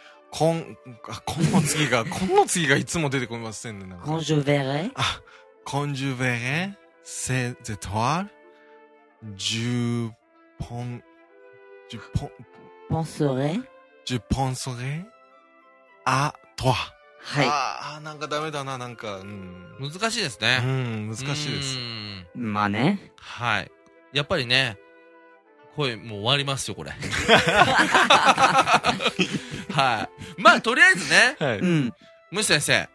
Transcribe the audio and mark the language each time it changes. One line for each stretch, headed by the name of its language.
Japanese: この次がいつも出てこませんね。
French: Quand je verrai. Quand je verrai ces étoiles, je penserai à toi.
Japanese: はい。ああ、なんかダメだな、なんか、うん、難しいですね。うん、難しいです。まあね。はい。やっぱりね、声もう終わりますよ、これ。はい。まあ、とりあえずね、はい、うん。ムシ先生。